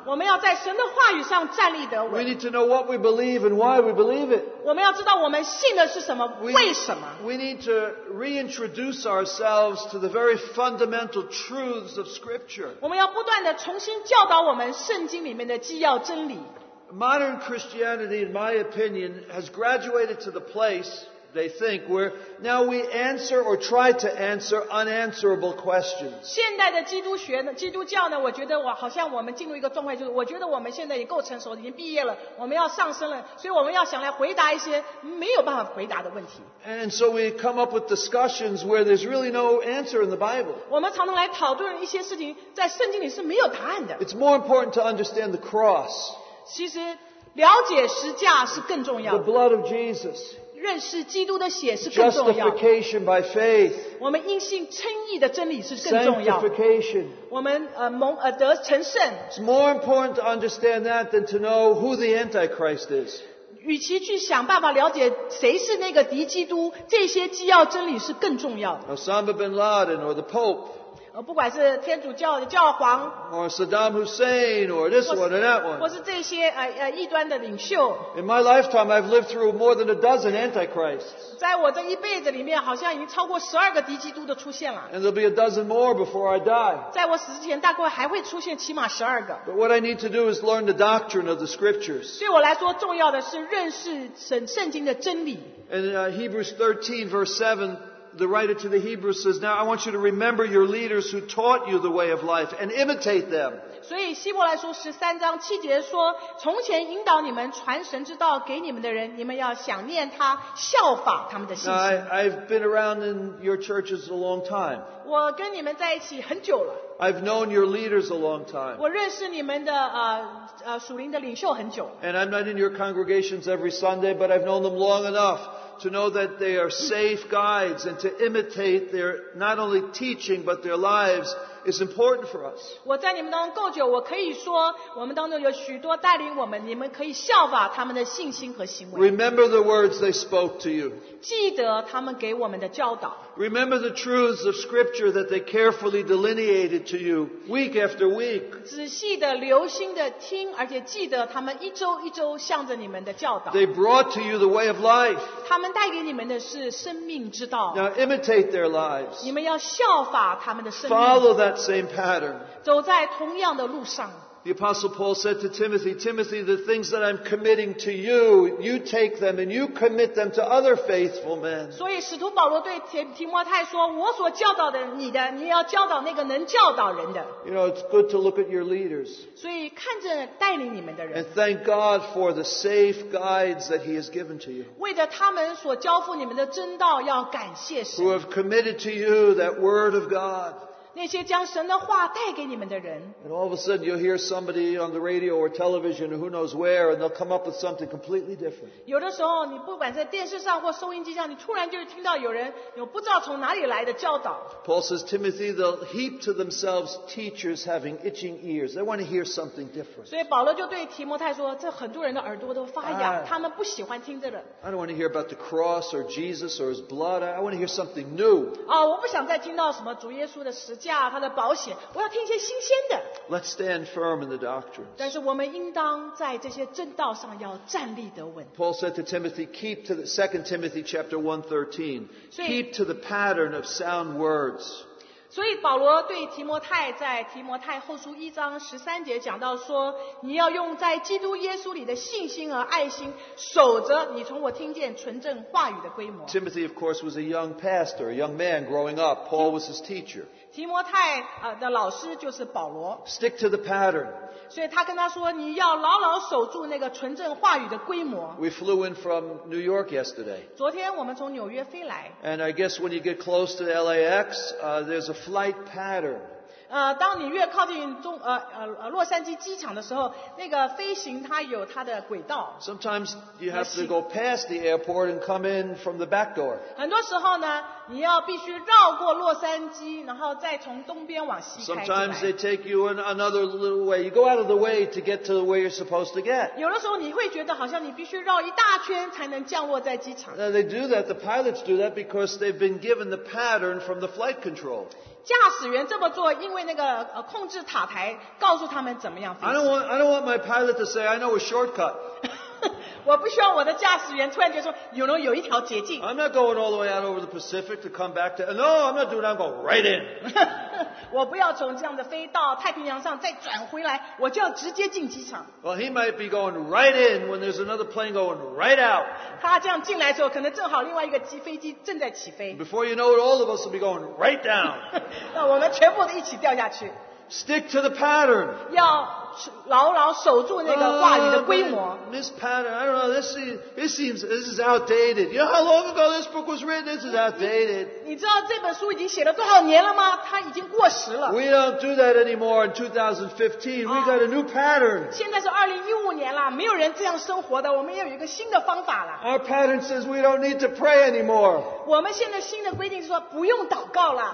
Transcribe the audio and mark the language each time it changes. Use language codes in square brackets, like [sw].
[zh] 我们要在神的话语上站立得稳。 [en] We need to know what we believe and why we believe it. [zh] 我们要知道我们信的是什么，为什么。 [en] We need to reintroduce ourselves to the very fundamental truths of Scripture. [zh] 我们要不断地重新教导我们圣经里面的基要真理。 [en] Modern Christianity, in my opinion, has graduated to the place, they think, where now we answer or try to answer unanswerable questions. [zh] 现代的基督学呢，基督教呢，我觉得我好像我们进入一个状态，就是我觉得我们现在也够成熟，已经毕业了，我们要上升了，所以我们要想来回答一些没有办法回答的问题。 [en] And so we come up with discussions where there's really no answer in the Bible. [zh] 我们常常来讨论一些事情，在圣经里是没有答案的。 [en] It's more important to understand the cross. [zh] 其实了解十架是更重要的。 [en] The blood of Jesus. [zh] 认识基督的血是更重要的。 [en] Justification by faith. [zh] 我们因信称义的真理是更重要的。 [en] Sanctification. [zh] 我们得成圣。 [en] It's more important to understand that than to know who the Antichrist is. [zh] 与其去想办法了解谁是那个敌基督，这些基要真理是更重要的。 [en] Osama bin Laden or the Pope. [zh] 不管是天主教的教皇 [en] or Saddam Hussein or this one or that one [zh] 或是这些异端的领袖 [en] In my lifetime I've lived through more than a dozen antichrists [zh] 在我这一辈子里面好像已经超过十二个敌基督的出现了 [en] And there'll be a dozen more before I die [zh] 在我死之前大概还会出现起码十二个 [en] But what I need to do is learn the doctrine of the scriptures [zh] 对我来说重要的是认识圣经的真理 [en] And Hebrews 13 verse 7The writer to the Hebrews says, Now I want you to remember your leaders who taught you the way of life and imitate them. [zh] 所以希伯来书十三章七节说，从前引导你们传神之道给你们的人，你们要想念他，效法他们的信心。 [en] Now, I've been around in your churches a long time. [zh] 我跟你们在一起很久了。 [en] I've known your leaders a long time. [zh] 我认识你们的属灵的领袖很久。 [en] And I'm not in your congregations every Sunday, but I've known them long enough. To know that they are safe guides and to imitate their not only teaching but their lives is important for us. [zh] 我在你们当中够久，我可以说我们当中有许多带领我们，你们可以效法他们的信心和行为。 [en] Remember the words they spoke to you. [zh] 记得他们给我们的教导。 [en] Remember the truths of Scripture that they carefully delineated to you week after week. [zh] 仔细的、留心的听，而且记得他们一周一周向着你们的教导。 [en] They brought to you the way of life. [zh] 他们带给你们的是生命之道。 [en] Now imitate their lives. [zh] 你们要效法他们的生命。 [en] Follow that same pattern. [zh] 走在同样的路上。 [en] The Apostle Paul said to Timothy, Timothy, the things that I'm committing to you, you take them and you commit them to other faithful men. [zh] 所以使徒保罗对提摩太说，我所教导的你的，你要教导那个能教导人的。 [en] You know, it's good to look at your leaders. [zh] 所以看着带领你们的人。 [en] And thank God for the safe guides that he has given to you. [zh] 为着他们所交付你们的真道要感谢神。 [en] Who have committed to you that word of God. [zh] 那些将神的话带给你们的人。 [en] And all of a sudden you'll hear somebody on the radio or television or who knows where and they'll come up with something completely different. [zh] 有的时候你不管在电视上或收音机上你突然就是听到有人有不知道从哪里来的教导。 [en] Paul says, Timothy, they'll heap to themselves teachers having itching ears. They want to hear something different. [zh] 所以保罗就对提摩太说这很多人的耳朵都发痒他们不喜欢听这个。 [en] I don't want to hear about the cross or Jesus or his blood. I want to hear something new. [zh] 我不想再听到什么主耶稣的十字架他的保险我要听一些新鲜的。 [en] Let's stand firm in the doctrines. [zh] 但是我们应当在这些正道上要站立得稳。 [en] Paul said to Timothy, keep to the 2 Timothy chapter 1:13. Keep to the pattern of sound words. [zh] 所以保罗对提摩太在提摩太后书一章十三节讲到说你要用在基督耶稣里的信心和爱心守着你从我听见纯正话语的规模。 [en] Timothy, of course, was a young pastor, a young man growing up. Paul was his teacher. [zh] 提摩太的老师就是保罗。 [en] Stick to the pattern. [zh] 所以他跟他说你要牢牢守住那个纯正话语的规模。 [en] We flew in from New York yesterday. [zh] 昨天我们从纽约飞来。 [en] And I guess when you get close to LAX, there's a flight pattern. [zh] 当你越靠近中洛杉矶机场的时候那个飞行它有它的轨道 [en] Sometimes you have to go past the airport and come in from the back door [zh] 很多时候呢你要必须绕过洛杉矶然后再从东边往西开 [en] Sometimes they take you in another little way you go out of the way to get to where you're supposed to get [zh] 有的时候你会觉得好像你必须绕一大圈才能降落在机场 [en] They do that, the pilots do that because they've been given the pattern from the flight control [zh] 驾驶员这么做因为那个控制塔台告诉他们怎么样飞行。 [en] I don't want my pilot to say, I know a shortcut. [zh] 我不希望我的驾驶员突然间说 [en] you know, [zh] 有一条捷径。 [en] I'm not going all the way out over the Pacific to come back to, no, I'm not doing that, I'm going right in. [zh] 我不要从这样的飞到太平洋上再转回来我就要直接进机场。 [en] Well, he might be going right in when there's another plane going right out. [zh] 他这样进来的时候可能正好另外一个飞机正在起飞。 [en] Before you know it, all of us will be going right down. [zh] 那我们全部都一起掉下去。 [en] Stick to the pattern. [zh] 要牢牢守住那个话语的规模。 [en] This pattern, I don't know, this is outdated. You know how long ago this book was written? This is outdated. [zh] 你知道这本书已经写了多少年了吗？它已经过时了。 [en] We don't do that anymore in 2015. We got a new pattern. [zh] 现在是2015年了，没有人这样生活的，我们也有一个新的方法了。 [en] Our pattern says we don't need to pray anymore. [zh] 我们现在新的规定是说不用祷告了。